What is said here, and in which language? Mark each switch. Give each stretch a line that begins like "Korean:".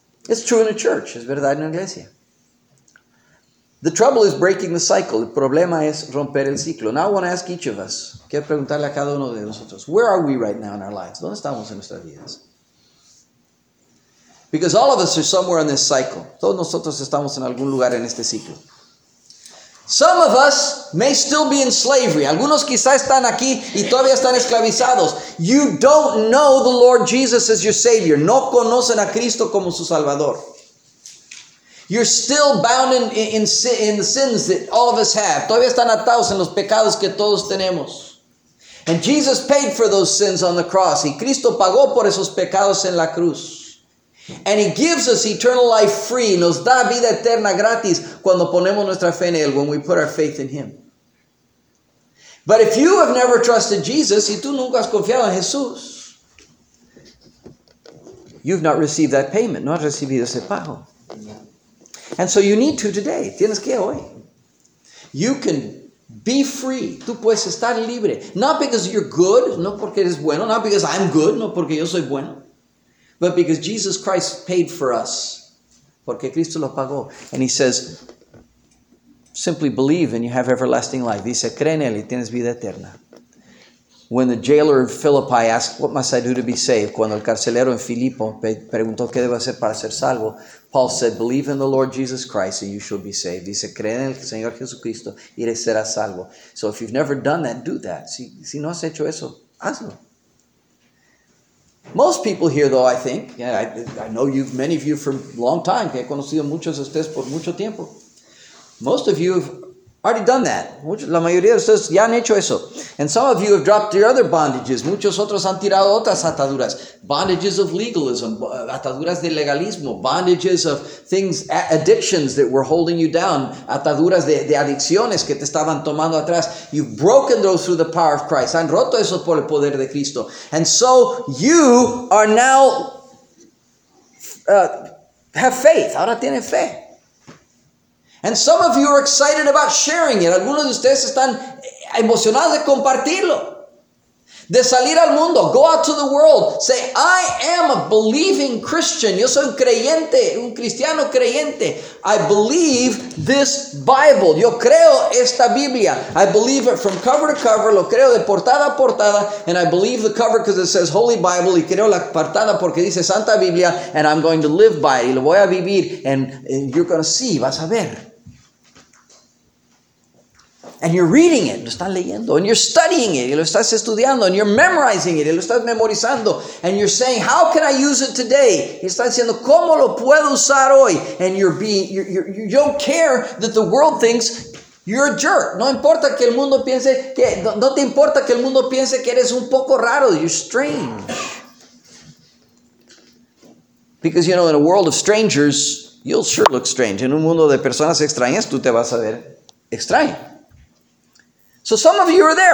English: It's true in a church.
Spanish: Es verdad en la iglesia.
English: The trouble is breaking the cycle.
Spanish: El problema es romper el ciclo.
English: Now I want to ask each of us.
Spanish: Quiero preguntarle a cada uno de nosotros.
English: Where are we right now in our lives?
Spanish: ¿Dónde estamos en nuestras vidas?
English: Because all of us are somewhere in this cycle.
Spanish: Todos nosotros estamos en algún lugar en este ciclo.
English: Some of us may still be in slavery.
Spanish: Algunos quizá están aquí y todavía están esclavizados.
English: You don't know the Lord Jesus as your Savior.
Spanish: No conocen a Cristo como su Salvador.
English: You're still bound in the sins that all of us have.
Spanish: Todavía están atados en los pecados que todos tenemos.
English: And Jesus paid for those sins on the cross.
Spanish: Y Cristo pagó por esos pecados en la cruz.
English: And he gives us eternal life free.
Spanish: Nos da vida eterna gratis cuando ponemos nuestra fe en él,
English: when we put our faith in him. But if you have never trusted Jesus,
Spanish: y tú nunca has confiado en Jesús,
English: you've not received that payment.
Spanish: No has recibido ese pago.
English: And so you need to today.
Spanish: Tienes que hoy.
English: You can be free.
Spanish: Tú puedes estar libre.
English: Not because you're good,
Spanish: no porque eres bueno.
English: Not because I'm good,
Spanish: no porque yo soy bueno.
English: But because Jesus Christ paid for us.
Spanish: Porque Cristo lo pagó.
English: And he says, simply believe and you have everlasting life.
Spanish: Dice, cree en él y tienes vida eterna.
English: When the jailer in Philippi asked, what must I do to be saved?
Spanish: Cuando el carcelero en Filipo preguntó, ¿qué debo hacer para ser salvo?
English: Paul said, believe in the Lord Jesus Christ and you shall be saved.
Spanish: Dice, cree en el Señor Jesucristo y serás salvo.
English: So if you've never done that, do that.
Spanish: Si no has hecho eso, hazlo.
English: Most people here, though, I think, yeah, I know you've many of you for a long time.
Spanish: He conocido muchos de ustedes por mucho tiempo.
English: Most of you have already done that.
Spanish: La mayoría de ustedes ya han hecho eso.
English: And some of you have dropped your other bondages.
Spanish: Muchos otros han tirado otras ataduras.
English: Bondages of legalism,
Spanish: ataduras de legalismo,
English: bondages of things, addictions that were holding you down,
Spanish: ataduras de adicciones que te estaban tomando atrás.
English: You've broken those through the power of Christ.
Spanish: Han roto eso por el poder de Cristo.
English: And so you are now, have faith.
Spanish: Ahora tienen fe.
English: And some of you are excited about sharing it.
Spanish: Algunos de ustedes están emocionados de compartirlo. De salir al mundo.
English: Go out to the world. Say, I am a believing Christian.
Spanish: Yo soy un creyente, un cristiano creyente.
English: I believe this Bible.
Spanish: Yo creo esta Biblia.
English: I believe it from cover to cover.
Spanish: Lo creo de portada a portada.
English: And I believe the cover because it says Holy Bible.
Spanish: Y creo la portada porque dice Santa Biblia.
English: And I'm going to live by it.
Spanish: Y lo voy a vivir.
English: And you're going to see.
Spanish: Vas a ver.
English: And you're reading it,
Spanish: lo estás leyendo,
English: and you're studying it,
Spanish: y lo estás estudiando,
English: and you're memorizing it,
Spanish: y lo estás memorizando,
English: and you're saying, how can I use it today?
Spanish: Y estás diciendo, ¿cómo lo puedo usar hoy?
English: And you don't care that the world thinks you're a jerk.
Spanish: No importa que el mundo piense que, no te importa que el mundo piense que eres un poco raro,
English: you're strange. Because, you know, in a world of strangers, you'll sure look strange.
Spanish: En un mundo de personas extrañas, tú te vas a ver extraño.
English: So some of you are there.